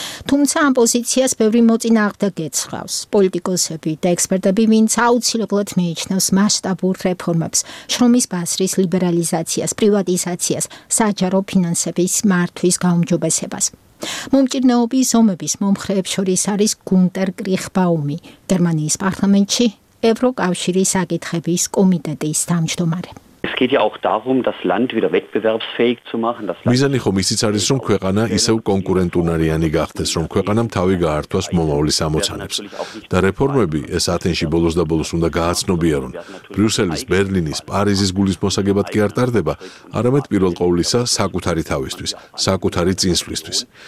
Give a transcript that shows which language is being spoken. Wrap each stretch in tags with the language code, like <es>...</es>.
<ka>Თუმცა ამ პოზიციას ბევრი მოწინააღმდეგე ცხავს, პოლიტიკოსები და ექსპერტები, ვინც აუცილებლად მიიჩნევს მასშტაბურ რეფორმებს, შრომის ბაზრის ლიბერალიზაციას, პრივატიზაციას, საჯარო ფინანსების მართვის გაუმჯობესებას. მომჭირნეობის ზომების მომხრეებს შორის არის გუნტერ კრიხბაუმი, გერმანიის პარლამენტში ევროკავშირის საკითხების კომიტეტის თავმჯდომარე.</ka> <de>Es geht ja auch darum, das Land wieder wettbewerbsfähig zu machen, das</de> <ka>Მიზანი ხომ ისიც არის, რომ ქვეყანა ისევ კონკურენტუნარიანი გახდეს, რომ ქვეყანამ თავი გაართვას მომავლის ამოცანებს. Და რეფორმები, ეს ათენში ბოლოს და ბოლოს უნდა გააცნობია, რომ ბრიუსელის, ბერლინის, პარიზის გულის მოსაგებად კი არ ტარდება, არამედ პირველ ყოვლისა საკუთარი თავისთვის, საკუთარი წინსვლისთვის.</ka>